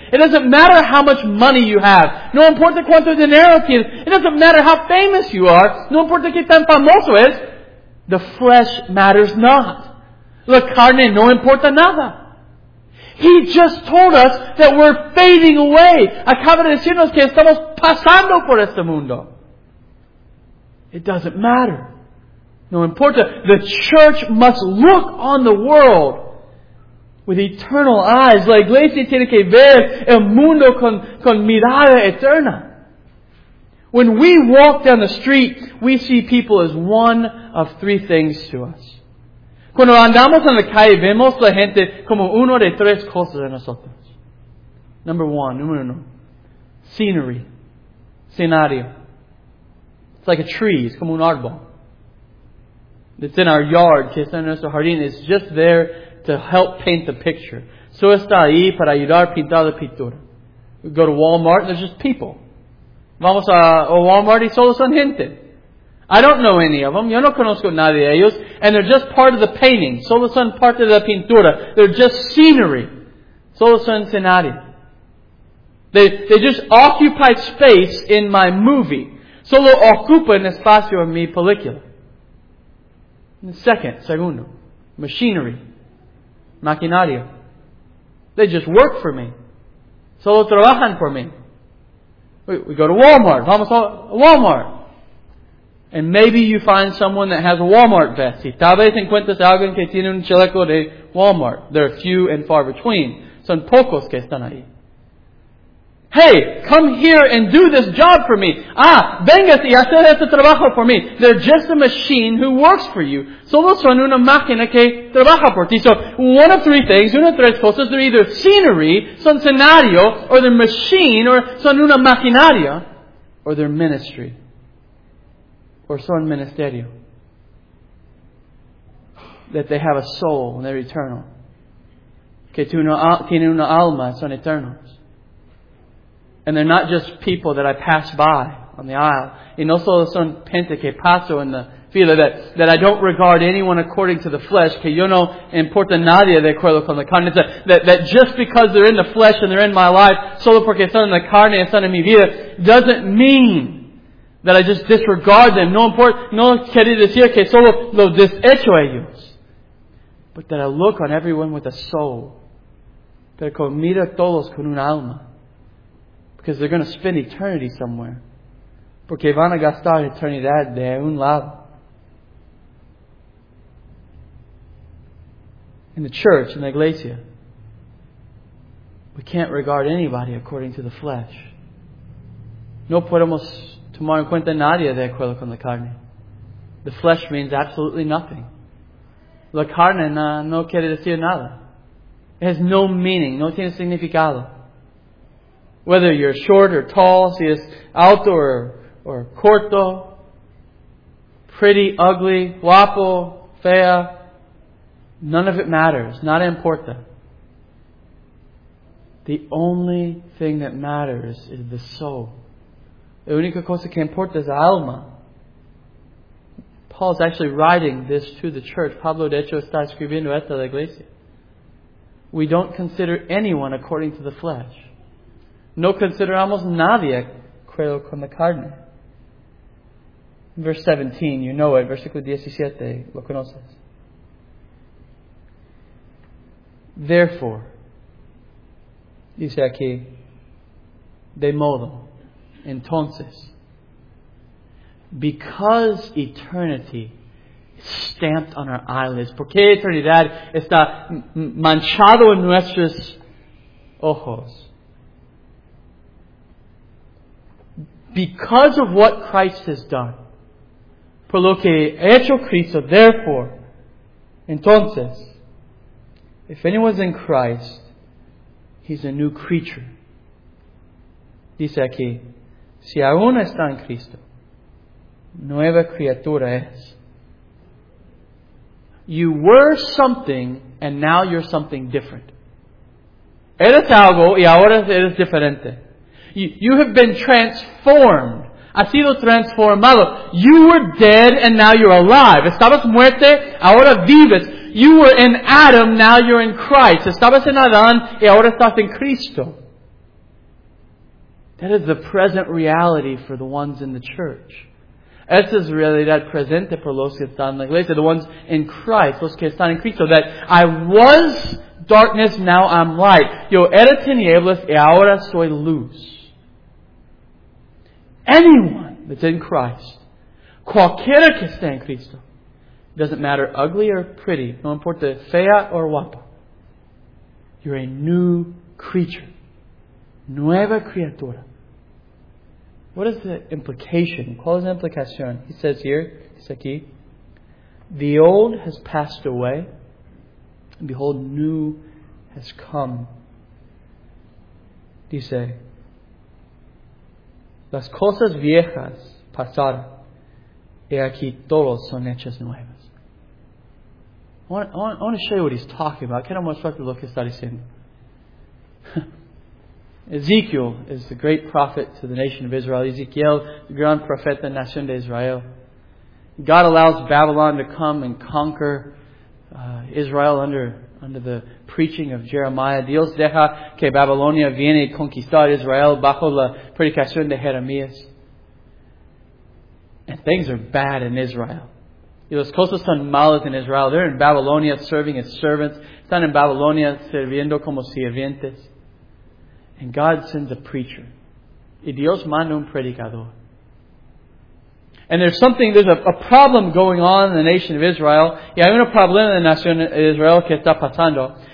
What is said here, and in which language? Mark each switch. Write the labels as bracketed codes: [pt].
[en] It doesn't matter how much money you have. [es] No importa cuánto dinero tienes. [en] It doesn't matter how famous you are. [es] No importa qué tan famoso es. [en] The flesh matters not. [es] La carne no importa nada. [en] He just told us that we're fading away. [es] Acaba de decirnos que estamos pasando por este mundo. [en] It doesn't matter. [es] No importa. [en] The church must look on the world with eternal eyes. [es] La iglesia tiene que ver el mundo con mirada eterna. [en] When we walk down the street, we see people as one of three things to us. [es] Cuando andamos en la calle, vemos la gente como uno de tres cosas a nosotros. Número 1. [en] Scenery. Scenario. It's like a tree. It's [es] como un árbol. [en] It's in our yard, [es] que está en nuestro jardín. [en] It's just there to help paint the picture. [es] So está ahí para ayudar a pintar la pintura. [en] We go to Walmart, and there's just people. [es] Vamos a Walmart y solo son gente. [en] I don't know any of them. [es] Yo no conozco nadie de ellos. [en] And they're just part of the painting. [es] Solo son parte de la pintura. [en] They're just scenery. [es] Solo son escenario. [en] They just occupy space in my movie. [es] Solo ocupan espacio en mi película. [en] Segundo, machinery, maquinaria. They just work for me. [es] Solo trabajan por mí. [en] We go to Walmart. [es] Vamos a Walmart. [en] And maybe you find someone that has a Walmart vest. [es] Y tal vez encuentras a alguien que tiene un chaleco de Walmart. [en] There are few and far between. [es] Son pocos que están ahí. [en] Hey, come here and do this job for me. [es] Ah, vengas y hacer este trabajo por mí. [en] They're just a machine who works for you. [es] Solo son una máquina que trabaja por ti. [en] So, one of three things, [es] una de tres cosas, [en] they're either scenery, [es] son escenario, [en] or they're machine, [es] or son una maquinaria, [en] or they're ministry. [es] Or son ministerio. [en] That they have a soul and they're eternal. [es] Que tienen una alma, son eternos. [en] And they're not just people that I pass by on the aisle. [es] Y no solo son gente que paso en la fila, [en] that I don't regard anyone according to the flesh, [es] que yo no importa nadie de acuerdo con la carne. [en] That just because they're in the flesh and they're in my life, [es] solo porque son en la carne y son en mi vida, [en] doesn't mean that I just disregard them. [es] No quiere decir que solo lo desecho a ellos. [en] But that I look on everyone with a soul. [es] Pero con mira todos con un alma. [en] Because they're going to spend eternity somewhere. [es] Porque van a gastar eternidad de un lado. [en] In the church, in the iglesia, we can't regard anybody according to the flesh. [es] No podemos tomar en cuenta nadie de acuerdo con la carne. [en] The flesh means absolutely nothing. [es] La carne no quiere decir nada. [en] It has no meaning, [es] no tiene significado. [en] Whether you're short or tall, [es] si es alto or corto, [en] pretty, ugly, [es] guapo, fea, [en] none of it matters. [es] Nada importa. [en] The only thing that matters is the soul. [es] La única cosa que importa es la alma. [en] Paul's actually writing this to the church. [es] Pablo de hecho está escribiendo esto a la iglesia. [en] We don't consider anyone according to the flesh. [es] No consideramos nadie creo con la carne. [en] Verse 17, you know it. [es] Versículo 17, lo conoces. [en] Therefore, [es] dice aquí, de modo, entonces, [en] because eternity stamped on our eyelids, [es] porque eternidad está manchado en nuestros ojos, [en] because of what Christ has done, [es] por lo que ha hecho Cristo, [en] therefore, entonces, if anyone's in Christ, he's a new creature. [es] Dice aquí, si aún está en Cristo, nueva criatura es. [en] You were something, and now you're something different. [es] Eres algo, y ahora eres diferente. [en] You have been transformed. [es] Ha sido transformado. [en] You were dead and now you're alive. [es] Estabas muerte, ahora vives. [en] You were in Adam, now you're in Christ. [es] Estabas en Adán y ahora estás en Cristo. [en] That is the present reality for the ones in the church. [es] Esa es realidad presente por los que están en la iglesia. [en] The ones in Christ, [es] los que están en Cristo. [en] That I was darkness, now I'm light. [es] Yo era tinieblas y ahora soy luz. [en] Anyone that's in Christ, [es] cualquiera que esté en Cristo, [en] doesn't matter ugly or pretty, [es] no importa fea or guapa, [en] you're a new creature, [es] nueva criatura. [en] What is the implication? [es] ¿Cuál es la implicación? [en] He says here, he says aquí, the old has passed away, and behold, new has come. [es] Dice, las cosas viejas pasaron, y aquí todos son hechas nuevas. [en] I want to show you what he's talking about. [es] Quiero mostrarte lo que está diciendo. [en] Ezekiel is the great prophet to the nation of Israel. Ezekiel, the [es] gran profeta nación de Israel. [en] God allows Babylon to come and conquer Israel under the preaching of Jeremiah. [es] Dios deja que Babilonia viene conquistar Israel bajo la predicación de Jeremías. [en] And things are bad in Israel. [es] Y las cosas están malas en Israel. [en] They're in Babylonia serving as servants. [es] Están en Babilonia sirviendo como sirvientes. [en] And God sends a preacher. [es] Y Dios manda un predicador. [en] And there's a problem going on in the nation of Israel. [es] Y hay un problema en la nación de Israel que está pasando.